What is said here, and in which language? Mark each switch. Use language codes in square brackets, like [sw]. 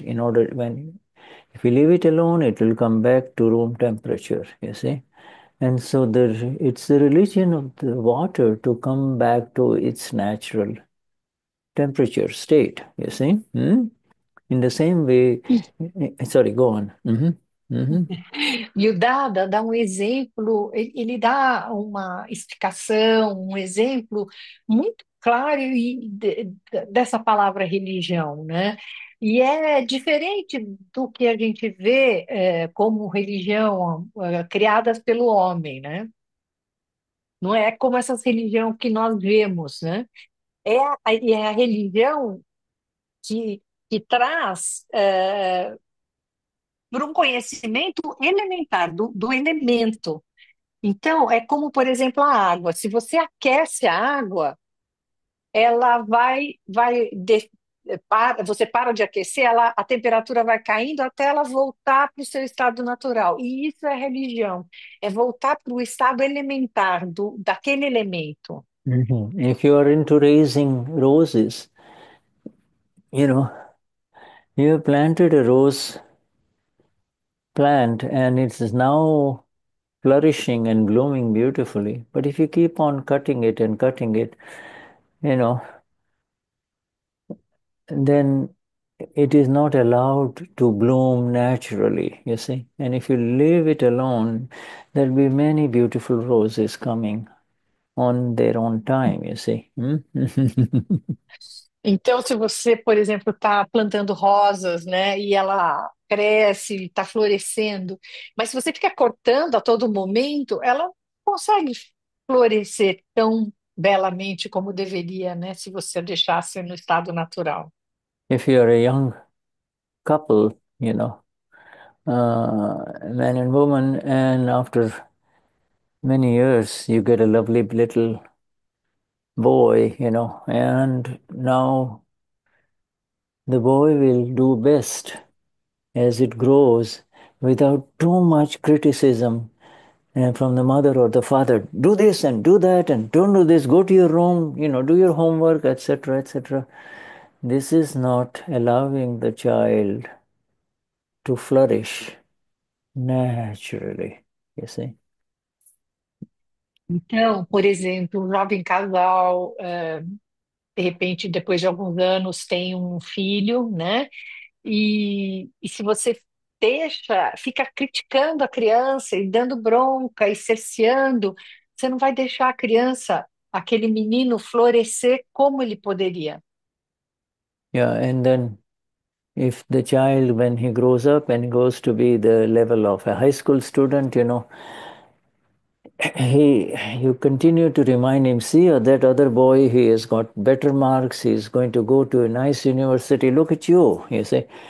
[en] In order, when if we leave it alone, it will come back to room temperature, you see. And so it's the religion of the water to come back to its natural temperature state, you see. In the same way, sorry, go on. [pt] E o Dada dá um exemplo, ele dá uma explicação, um exemplo muito claro dessa palavra religião, né? E é diferente do que a gente vê como religião criadas pelo homem, né? Não é como essas religiões que nós vemos, né? É a religião que traz por um conhecimento elementar do elemento. Então, é como, por exemplo, a água. Se você aquece a água, ela vai de, para, você para de aquecer, ela, a temperatura vai caindo até ela voltar para o seu estado natural. E isso é religião, é voltar para o estado elementar daquele elemento. [en] If you are into raising roses, you know, you have planted a rose plant and it is now flourishing and blooming beautifully. But if you keep on cutting it and cutting it, you know, then it is not allowed to bloom naturally, you see. And if you leave it alone, there'll be many beautiful roses coming on their own time, you see. [pt] Então, se você, por exemplo, está plantando rosas, né, e ela cresce, está florescendo, mas se você fica cortando a todo momento, ela consegue florescer tão belamente como deveria, né, se você deixasse no estado natural. [en] If you are a young couple, you know, man and woman, and after many years you get a lovely little boy, you know, and now the boy will do best as it grows without too much criticism from the mother or the father. Do this and do that and don't do this, go to your room, you know, do your homework, etc., etc. This is not allowing the child to flourish naturally, you see. [pt] Então, por exemplo, um jovem casal, de repente, depois de alguns anos, tem um filho, né? E se você deixa, fica criticando a criança e dando bronca e cerceando, você não vai deixar a criança, aquele menino, florescer como ele poderia. [en] Yeah, and then if the child, when he grows up and goes to be the level of a high school student, you know, you continue to remind him, see that other boy, he has got better marks, he's going to go to a nice university, look at you see.